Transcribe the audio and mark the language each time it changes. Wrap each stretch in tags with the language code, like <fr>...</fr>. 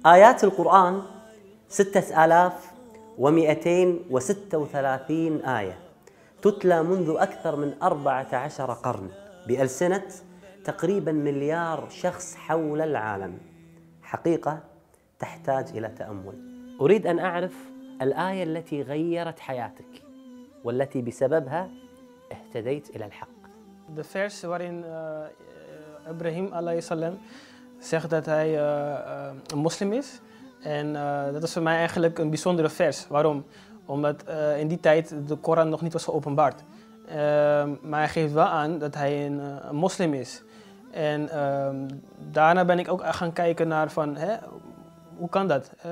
<ar>Ayat al-Qur'an, 6236 آية تتلى منذ أكثر من 14 قرن بألسنة تقريبا مليار شخص حول العالم، حقيقة تحتاج إلى تأمل. أريد أن أعرف الآية التي غيرت حياتك والتي بسببها اهتديت إلى الحق.</ar> <en>The verse wherein Ibrahim alayhi salam said that he a Muslim is.</en> <nl>En dat is voor mij eigenlijk een bijzondere vers. Waarom? Omdat in die tijd de Koran nog niet was geopenbaard. Maar hij geeft wel aan dat hij een moslim is. En daarna ben ik ook gaan kijken naar van, hè, hoe kan dat?</nl>